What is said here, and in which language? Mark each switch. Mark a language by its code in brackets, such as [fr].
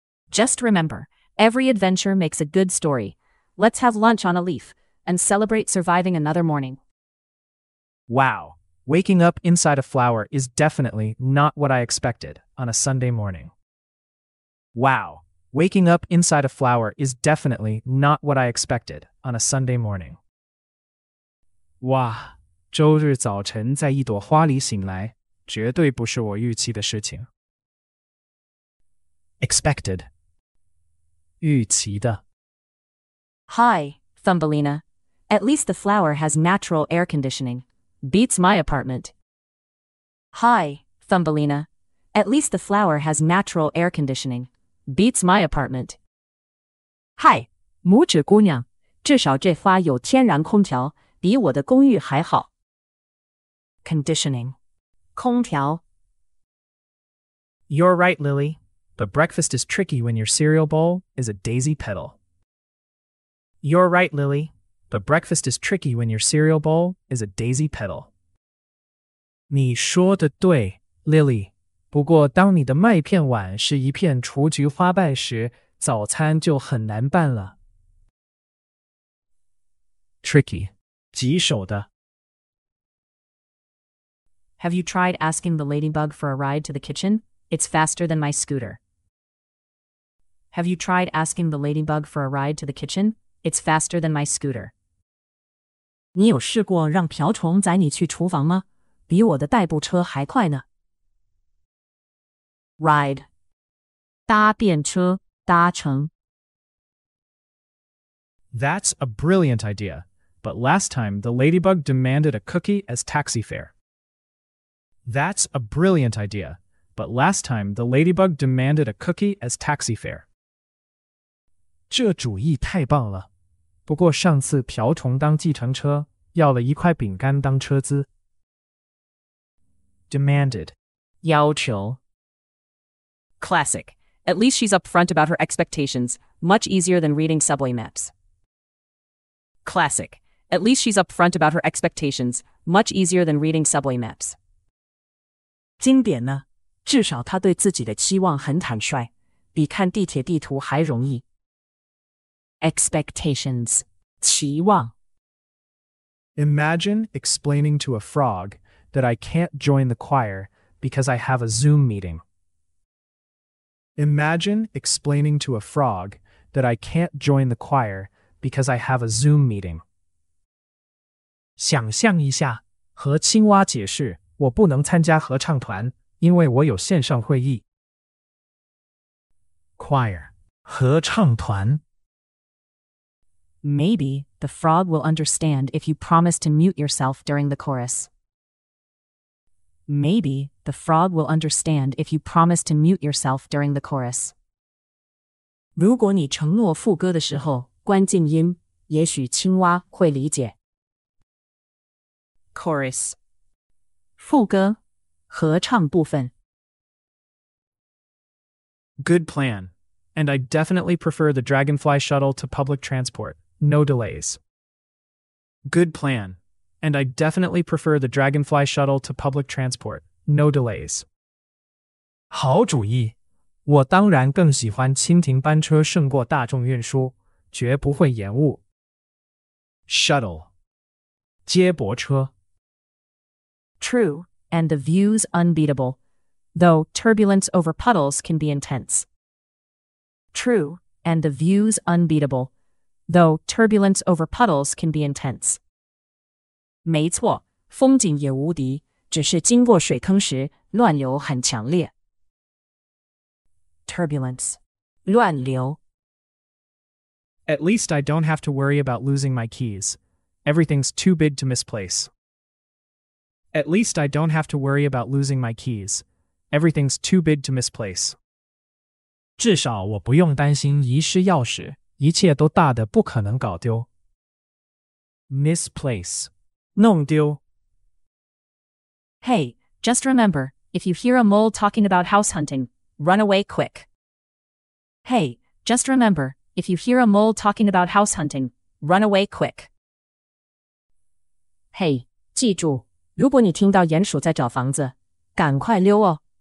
[en] Just remember, every adventure makes a good story. Let's have lunch on a leaf and celebrate surviving another morning. Wow, waking up inside a flower is definitely not what I expected on a Sunday morning. Wow, waking up inside a flower is definitely not what I expected on a Sunday morning. [zh] 哇，周日早晨在一朵花里醒来，绝对不是我预期的事情。 [en] Expected. [zh] 预期的。 [en] Hi, Thumbelina. At least the flower has natural air conditioning. Beats my apartment. Hi, Thumbelina. At least the flower has natural air conditioning. Beats my apartment. [zh] Hi, 拇指姑娘。至少这花有天然空调，比我的公寓还好。 [en] Conditioning. [zh] 空调。 [en] You're right, Lily. But breakfast is tricky when your cereal bowl is a daisy petal. You're right, Lily. But breakfast is tricky when your cereal bowl is a daisy petal. [zh] 你说的对, Lily. 不过当你的麦片碗是一片雏菊花瓣时,早餐就很难办了。 [en] Tricky. [zh] 棘手的。 [en] Have you tried asking the ladybug for a ride to the kitchen? It's faster than my scooter. Have you tried asking the ladybug for a ride to the kitchen? It's faster than my scooter. [zh] 你有试过让瓢虫载你去厨房吗？比我的代步车还快呢。 [en] Ride. [zh] 搭便车,搭乘。 [en] That's a brilliant idea. But last time, the ladybug demanded a cookie as taxi fare. That's a brilliant idea. But last time, the ladybug demanded a cookie as taxi fare. [zh] 这主意太棒了。不过上次瓢虫当计程车要了一块饼干当车资。 [en] Demanded. [zh] 要求。 [en] Classic. At least she's upfront about her expectations, much easier than reading subway maps. Classic. At least she's upfront about her expectations, much easier than reading subway maps. [zh] 经典呢，至少她对自己的期望很坦率，比看地铁地图还容易。 [en] Expectations. [zh] 期望。 [en] Imagine explaining to a frog that I can't join the choir because I have a Zoom meeting. Imagine explaining to a frog that I can't join the choir because I have a Zoom meeting. [zh] 想象一下，和青蛙解释，我不能参加合唱团，因为我有线上会议。 [en] Choir. [zh] 合唱团。 [en] Maybe the frog will understand if you promise to mute yourself during the chorus. Maybe the frog will understand if you promise to mute yourself during the chorus. [zh] 如果你承诺副歌的时候关静音，也许青蛙会理解。 [en] Chorus， [zh] 副歌，合唱部分。 [en] Good plan, and I definitely prefer the Dragonfly shuttle to public transport. No delays. Good plan, and I definitely prefer the Dragonfly shuttle to public transport. No delays. [zh] 好主意，我当然更喜欢蜻蜓班车胜过大众运输，绝不会延误。 [en] Shuttle， [zh] 接驳车。 [en] True, and the view's unbeatable, though turbulence over puddles can be intense. True, and the view's unbeatable, though turbulence over puddles can be intense. [zh] 没错，风景也无敌，只是经过水坑时，乱流很强烈。 [en] Turbulence, [zh] 乱流。 [en] At least I don't have to worry about losing my keys. Everything's too big to misplace. At least I don't have to worry about losing my keys. Everything's too big to misplace. [zh] 至少我不用担心遗失钥匙，一切都大的不可能搞丢。 [en] Misplace， [zh] 弄丢。 [en] Hey, just remember, if you hear a mole talking about house hunting, run away quick. Hey, just remember, if you hear a mole talking about house hunting, run away quick. [zh] Hey, 记住。如果你听到鼹鼠在找房子，赶快溜哦。